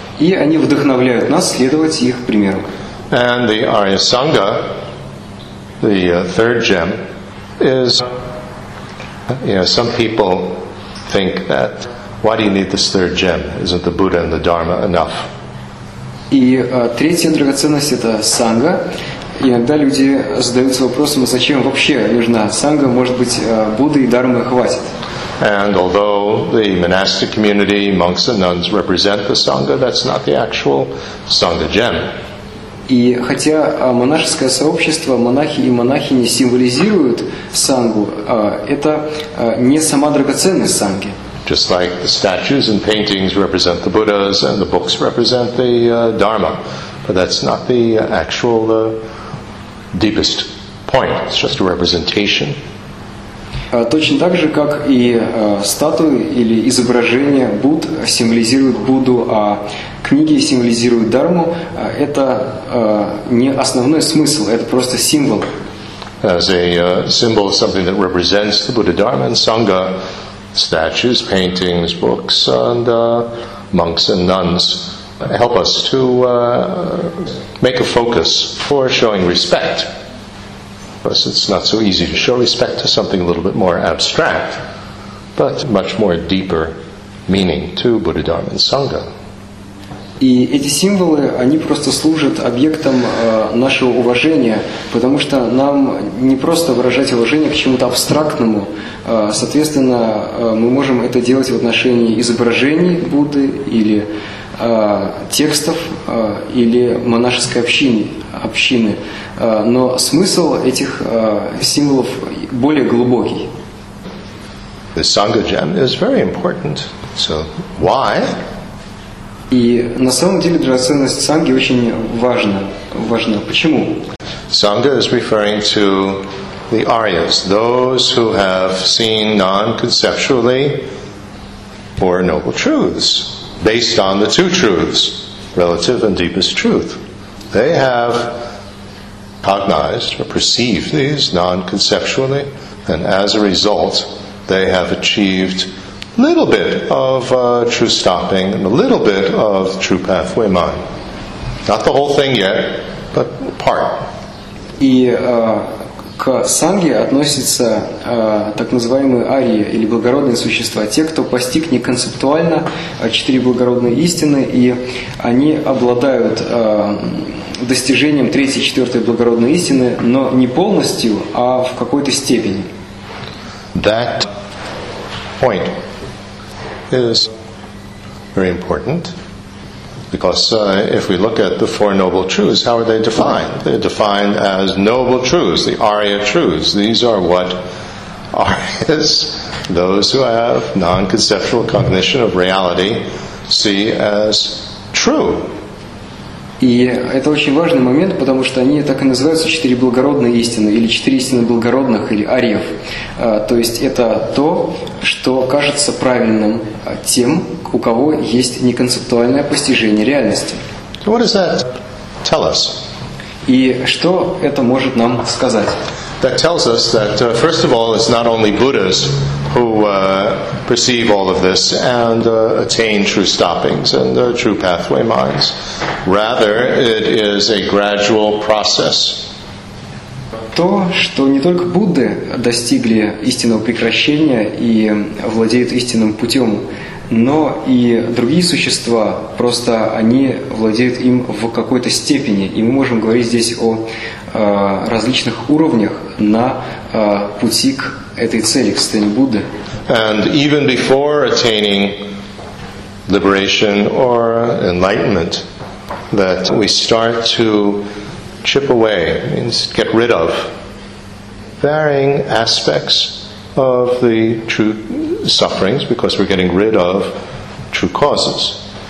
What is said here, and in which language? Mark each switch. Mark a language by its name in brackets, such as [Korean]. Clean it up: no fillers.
[Russian] И они вдохновляют нас следовать их примеру. [English] And the Arya Sangha, the third gem, is, you know, some people think that, why do you need this third gem? Isn't the Buddha and the Dharma enough? [Russian] И третья драгоценность — это Сангха. Иногда люди задаются вопросом, зачем вообще нужна Сангха? Может быть, Будды и Дхармы хватит? [English] And although the monastic community, monks and nuns represent the Sangha, that's not the actual Sangha gem. [Russian] И хотя монашеское сообщество, монахи и монахини символизируют Сангху, это не сама драгоценность Сангхи. [English] Just like the statues and paintings represent the Buddhas and the books represent the Dharma. But that's not the actual deepest point. It's just a representation. [Russian] Точно так же, как и статуи или изображения Будд символизируют Будду, а книги символизируют Дарму, это не основной смысл, это просто символ. [English] As a symbol, something that represents the Buddha, Dharma, and Sangha, statues, paintings, books, and monks and nuns help us to make a focus for showing respect. Because it's not so easy to show respect to something a little bit more abstract, but much more deeper meaning to Buddha, Dharma, and Sangha. [Russian] И эти символы, они просто служат объектом нашего уважения, потому что нам не просто выражать уважение к чему-то абстрактному. Соответственно, мы можем это делать в отношении изображений Будды или текстов или монашеской общины. Но смысл этих символов более глубокий. [English] The Sangha gem is very important. So why? [Russian] И на самом деле драгоценность Санги очень важна. Почему? [English] Sangha is referring to the Aryas, those who have seen non-conceptually four noble truths, based on the two truths, relative and deepest truth. They have cognized or perceived these non-conceptually, and as a result, they have achieved little bit of true stopping and a little bit of true pathway mind. Not the whole thing yet, but part. [Russian] И к Санге относятся так называемые арии или благородные существа, те, кто постиг неконцептуально четыре благородные истины, и они обладают достижением третьей, четвертой благородной истины, но не полностью, а в какой-то степени. [English] That point is very important, because if we look at the Four Noble Truths, how are they defined? They're defined as noble truths, the Arya truths. These are what Aryas, those who have non-conceptual cognition of reality, see as true. [Russian] И это очень важный момент, потому что они так и называются четыре благородные истины, или четыре истины благородных, или ариев. То есть это то, что кажется правильным тем, у кого есть неконцептуальное постижение реальности. [English] What does that tell us? [Russian] И что это может нам сказать? [English] That tells us that, first of all, it's not only Buddhas who perceive all of this and attain true stoppings and true pathway minds. Rather, it is a gradual process. [Russian] То, что не только Будды достигли истинного прекращения и владеют истинным путем, но и другие существа, просто они владеют им в какой-то степени. И мы можем говорить здесь о различных уровнях на пути к этой цели, к цели Будды. [English] And even before attaining liberation or enlightenment, that we start to chip away, means get rid of, varying aspects of the true sufferings, because we're getting rid of true causes.